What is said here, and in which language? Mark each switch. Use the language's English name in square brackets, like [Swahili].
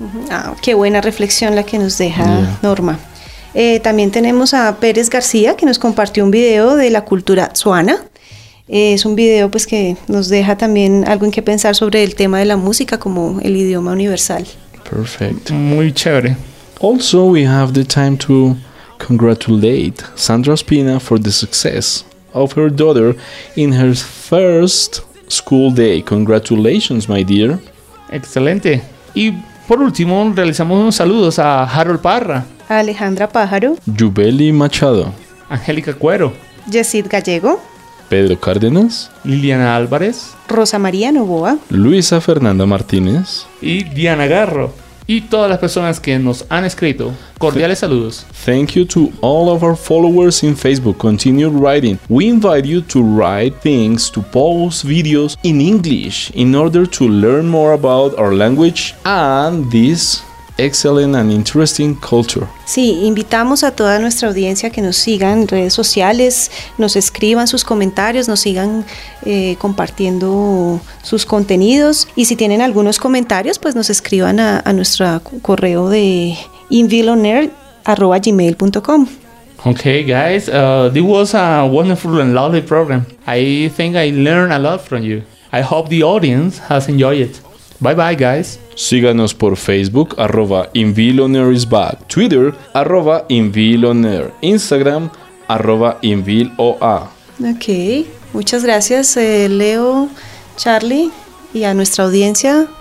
[Spanish] Ah, qué buena reflexión la que nos deja Norma. También tenemos a Pérez García, que nos compartió un video de la cultura tzuana. Es un video pues, que nos deja también algo en qué pensar sobre el tema de la música como el idioma universal. Perfecto. Muy chévere. [English] Also, we have the time to congratulate Sandra Spina for the success of her daughter in her first school day. Congratulations, my dear. [Spanish] Excelente. Y por último, realizamos unos saludos a Harold Parra, a Alejandra Pájaro, Yubeli Machado, Angélica Cuero, Yesid Gallego, Pedro Cárdenas, Liliana Álvarez, Rosa María Novoa, Luisa Fernanda Martínez y Diana Garro. Y todas las personas que nos han escrito, cordiales saludos. [English] Thank you to all of our followers in Facebook. Continue writing. We invite you to write things, to post videos in English in order to learn more about our language and this excellent and interesting culture. [Spanish] Sí, invitamos a toda nuestra audiencia que nos sigan en redes sociales, nos escriban sus comentarios, nos sigan compartiendo sus contenidos. Y si tienen algunos comentarios, pues nos escriban a nuestro correo de invilonair@gmail.com. [English] Okay, guys, this was a wonderful and lovely program. I think I learned a lot from you. I hope the audience has enjoyed it. Bye bye, guys. [Spanish] Síganos por Facebook, @InVilOnAirIsBack, Twitter, @InVilOnAir, Instagram, @InVilOA. Ok, muchas gracias Leo, Charlie y a nuestra audiencia.